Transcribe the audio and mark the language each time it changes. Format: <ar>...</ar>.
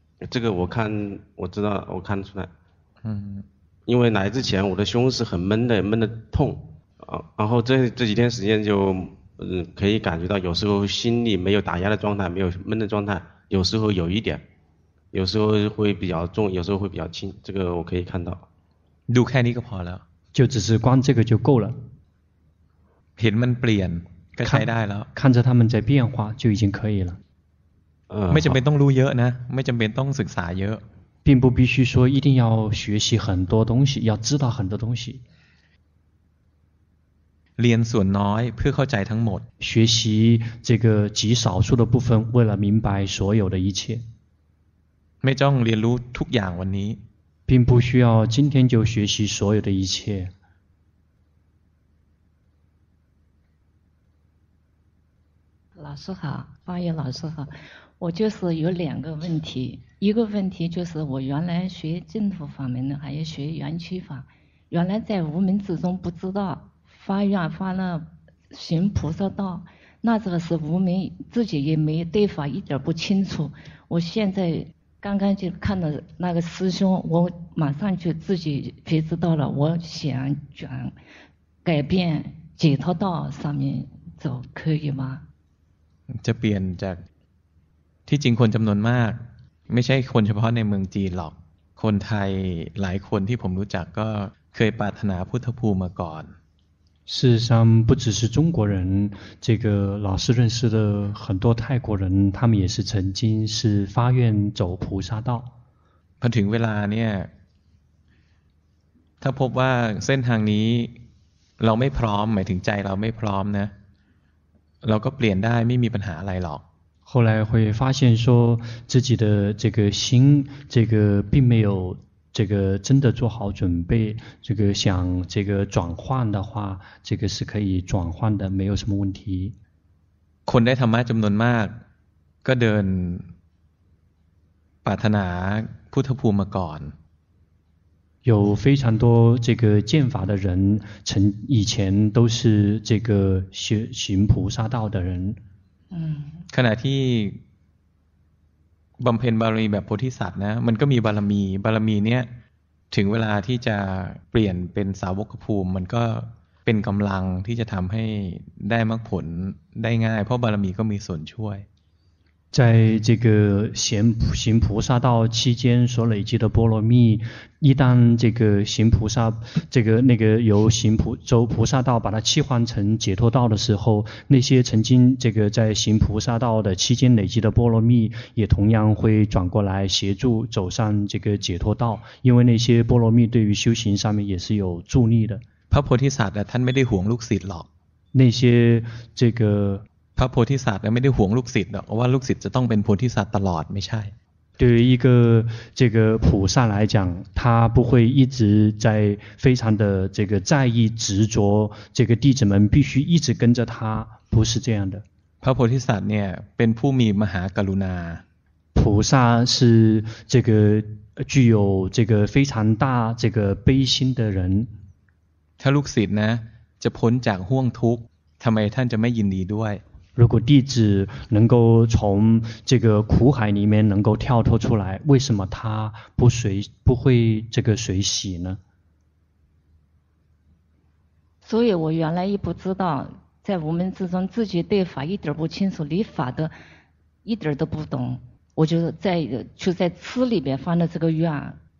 <zh>这个我知道我看出来因为来之前我的胸是很闷的闷的痛然后这几天时间就可以感觉到有时候心里没有打压的状态没有闷的状态有时候有一点有时候会比较重有时候会比较轻这个我可以看到就看你个跑了就只是观这个就够了。</zh> <th>เห็นมันเปลี่ยนก็ใช้ได้แล้ว</th> <zh>看着他们在变化就已经可以了。</zh> <th>ไม่จำเป็นต้องรู้เยอะนะไม่จำเป็นต้องศึกษาเยอะ</th> <zh>并不必须说一定要学习很多东西要知道很多东西</zh> <th>เรียนส่วนน้อยเพื่อเข้าใจทั้งหมด</th> <zh>学习这个极少数的部分为了明白所有的一切</zh> <th>ไม่ต้องเรียนรู้ทุกอย่างวันนี้</th> <zh>并不需要今天就学习所有的一切老师好发言老师好我就是有两个问题一个问题就是我原来学净土法门的还有学缘起法原来在无明之中不知道发愿发了行菩萨道那这个是无明自己也没对法一点不清楚我现在刚刚就看了那个师兄我马上就自己觉知到了我想转改变解脱道上面走可以吗</zh> <th>จะเปลี่ยนจากที่จริงคนจำนวนมากไม่ใช่คนเฉพาะในเมืองจีนหรอกคนไทยหลายคนที่ผมรู้จักก็เคยปรารถนาพุทธภูมิมาก่อน</th> <zh>事实上不只是中国人这个老师认识的很多泰国人他们也是曾经是发愿走菩萨道</zh> <th>พอถึงเวลาเนี่ยถ้าพบว่าเส้นทางนี้เราไม่พร้อมหมายถึงใจเราไม่พร้อมนะเราก็เปลี่ยนได้ไม่มีปัญหาอะไรหรอก</th> <zh>后来会发现说自己的这个心这个并没有这个真的做好准备这个想这个转换的话这个是可以转换的没有什么问题</zh> <th>คนได้ธรรมะจำนวนมากก็เดินปรารถนาพุทธภูมิมาก่อน</th> <zh>有非常多这个见法的人曾以前都是这个 行菩萨道的人</zh> <th>ขณะที่บำเพ็ญบารมีแบบโพธิสัตว์นะมันก็มีบารมีบารมีเนี้ยถึงเวลาที่จะเปลี่ยนเป็นสาวกภูมิมันก็เป็นกำลังที่จะทำให้ได้มรรคผลได้ง่ายเพราะบารมีก็มีส่วนช่วย</th> <zh>在这个行菩萨道期间所累积的波罗蜜一旦这个行菩萨这个那个由行菩走菩萨道把它切换成解脱道的时候那些曾经这个在行菩萨道的期间累积的波罗蜜也同样会转过来协助走上这个解脱道因为那些波罗蜜对于修行上面也是有助力的</zh> <th>พระโพธิสัตว์ท่านไม่ได้ห่วงลูกศิษย์หรอก</th> <zh>那些这个</zh> <th>พระโพธิสัตว์ไม่ได้ห่วงลูกศิษย์หรอกว่าลูกศิษย์จะต้องเป็นโพธิสัตว์ตลอดไม่ใช่</th> <zh>对于一个这个菩萨来讲他不会一直在非常的这个在意执着这个弟子们必须一直跟着他不是这样的</zh> <th>พระโพธิสัตว์เนี่ยเป็นผู้มีมหากรุณา</th> <zh>菩萨是这个具有这个非常大这个悲心的人</zh> <th>ถ้าลูกศิษย์นะจะพ้นจากห่วงทุกข์ทำไมท่านจะไม่ยินดีด้วย</th> <zh>如果弟子能够从这个苦海里面能够跳脱出来，为什么他不会这个随喜呢？所以我原来也不知道，在无明之中自己对法一点不清楚，理法的一点都不懂，我就在吃里边发了这个愿。</zh>